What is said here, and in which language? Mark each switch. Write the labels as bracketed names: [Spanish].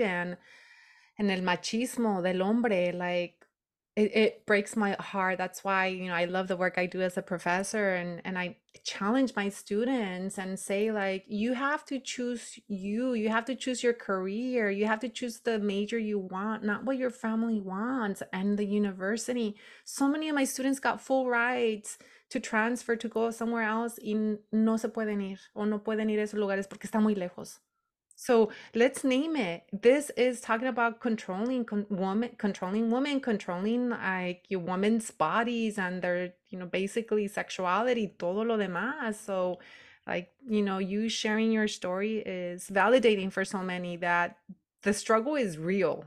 [English] And el machismo del hombre, like it breaks my heart. That's why, I love the work I do as a professor, and I challenge my students and say, like, you have to choose you have to choose your career, you have to choose the major you want, not what your family wants and the university. [Spanish] So many of my students got full rides to transfer to go somewhere else y no se pueden ir o no pueden ir a esos lugares porque está muy lejos. [English] So let's name it. This is talking about controlling woman, controlling women, controlling like your woman's bodies and their, basically sexuality, todo lo demás. So like, you sharing your story is validating for so many that the struggle is real.